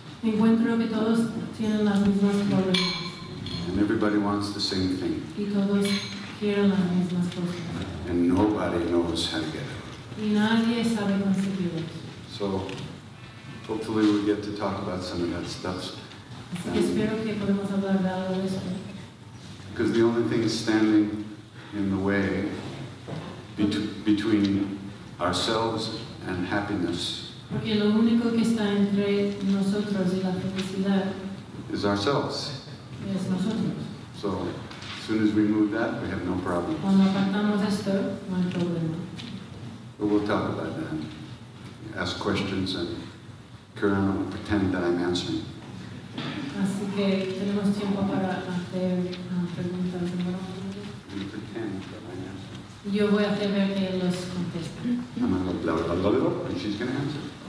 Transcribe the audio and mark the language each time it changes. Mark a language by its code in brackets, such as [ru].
[es] Encuentro que todos tienen las mismas problemas. [en] And everybody wants the same thing. [es] Y todos quieren las mismas cosas. [en] And nobody knows how to get it. [es] Y nadie sabe conseguirlo. [en] So, hopefully we get to talk about some of that stuff. [es] Así que espero que podamos hablar de algo de eso. [en] Because the only thing standing in the way between ourselves and happiness. [es] Porque lo único que está entre nosotros y la felicidad [en] is ourselves. [es] Es nosotros. [en] So, as soon as we move that, we have no problem. [es] Cuando apartamos esto, no hay problema. [en] But we'll talk about that. Ask questions and Kirtan will pretend that I'm answering. [es] Así que tenemos tiempo para hacer preguntas. [en] You pretend that I'm answering. [es] Yo voy a hacer ver que los contesta. [en] I'm going to go blah, blah, blah, blah, and she's going to answer.